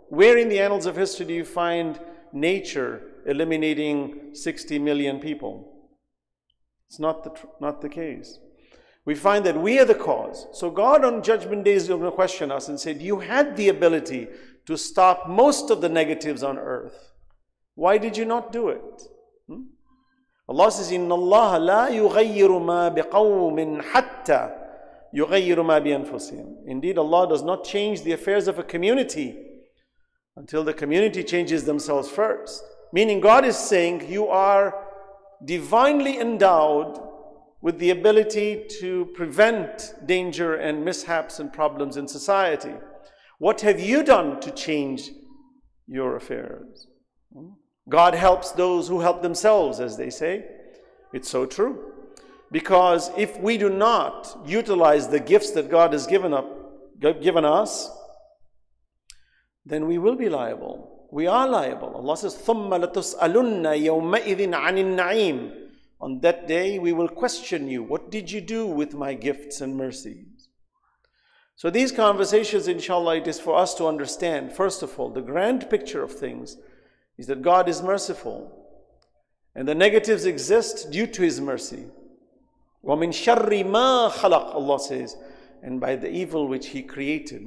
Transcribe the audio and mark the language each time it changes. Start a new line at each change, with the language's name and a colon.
English: Where in the annals of history do you find nature eliminating 60 million people? It's not the case. We find that we are the cause. So God on Judgment Day is going to question us and say, you had the ability to stop most of the negatives on earth. Why did you not do it? Allah says,
Arabic: إِنَّ اللَّهَ لَا يُغَيِّرُ مَا بِقَوْمٍ حَتَّى يُغَيِّرُ مَا بِأَنفُسِهِمْ.
English: Indeed, Allah does not change the affairs of a community until the community changes themselves first. Meaning God is saying, you are divinely endowed with the ability to prevent danger and mishaps and problems in society. What have you done to change your affairs? God helps those who help themselves, as they say. It's so true. Because if we do not utilize the gifts that God has given us, then we will be liable. We are liable. Allah says,
Arabic: ثُمَّ لَتُسْأَلُنَّ يَوْمَئِذٍ عَنِ النَّعِيمِ.
English: On that day, we will question you. What did you do with my gifts and mercies? So these conversations, inshallah, it is for us to understand, first of all, the grand picture of things is that God is merciful. And the negatives exist due to His mercy.
Arabic: وَمِن شَرِّ مَا خَلَقَ,
English: Allah says, and by the evil which He created.